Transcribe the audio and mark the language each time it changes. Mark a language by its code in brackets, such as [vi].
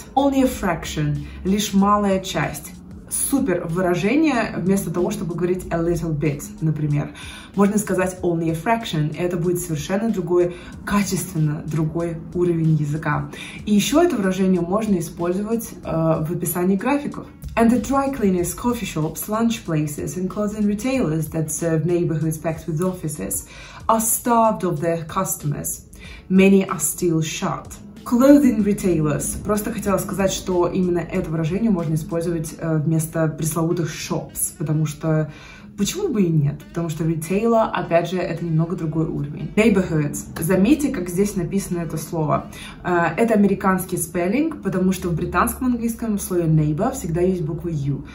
[en] Only a fraction. [ru] Лишь малая часть. Супер выражение вместо того, чтобы говорить [en] a little bit, [ru] например. Можно сказать [en] only a fraction, [ru] и это будет совершенно другой, качественно другой уровень языка. И еще это выражение можно использовать в описании графиков. [en] And the dry cleaners, coffee shops, lunch places and clothing retailers that serve neighborhoods packed with offices are starved of their customers. Many are still shut. Clothing retailers. [ru] Просто хотела сказать, что именно это выражение можно использовать вместо пресловутых shops, потому что Почему бы и нет? Потому что ритейла, опять же, это немного другой уровень. [en] Neighborhoods. [ru] Заметьте, как здесь написано это слово. Это американский спеллинг, потому что в британском английском в слове neighbor всегда есть буква U.